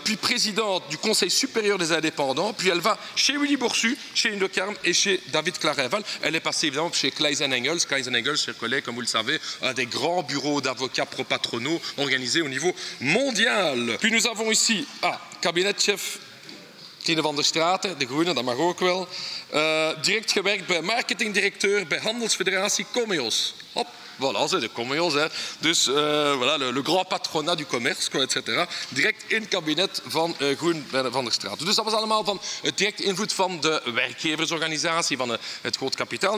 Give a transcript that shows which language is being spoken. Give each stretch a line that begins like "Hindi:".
French: Puis présidente du Conseil supérieur des indépendants. Puis elle va chez Willy Boursu, chez Une de Carme et chez David Clareval. Elle est passée évidemment chez Kleisen-Engels. Kleisen-Engels, chers collègues, comme vous le savez, un des grands bureaux d'avocats pro-patronaux organisés au niveau mondial. Puis nous avons ici, cabinet de chef Tine van der Straaten, de Groene,
Dutch: dat mag ook wel. Direct gewerkt bij marketingdirecteur bij Handelsfederatie Comeos.
French: Hop, voilà, c'est de Comeos. Hein. Dus voilà, le grand patronat du commerce, quoi, etc.
Dutch: Direct in het kabinet van Groene van der Straaten. Dus dat was allemaal van het direct invloed van de werkgeversorganisatie, van het groot kapitaal.